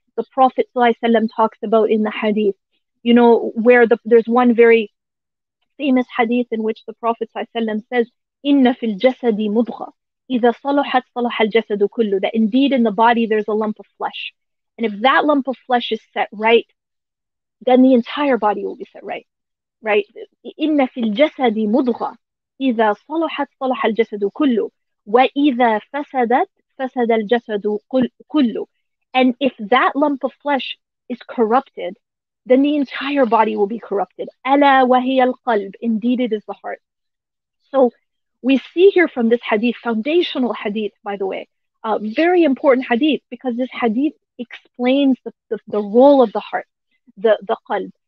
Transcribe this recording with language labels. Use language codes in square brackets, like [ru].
[en] The Prophet sallallahu alaihi wasallam talks about in the hadith, where there's one very famous hadith in which the Prophet sallallahu alaihi wasallam says, "Inna fil jasadi mudgha, idha salahat salaha al-jasadu kullu," that indeed in the body there's a lump of flesh. And if that lump of flesh is set right, then the entire body will be set right. Right? [ar] "Inna fil jasadi mudgha, إذا صلحت صلح الجسد كله وإذا فسدت فسد الجسد كله." [en] And if that lump of flesh is corrupted, then the entire body will be corrupted. ألا وهي القلب, indeed it is the heart. So we see here from this hadith, foundational hadith, by the way, a very important hadith, because this hadith explains the role of the heart, the qalb.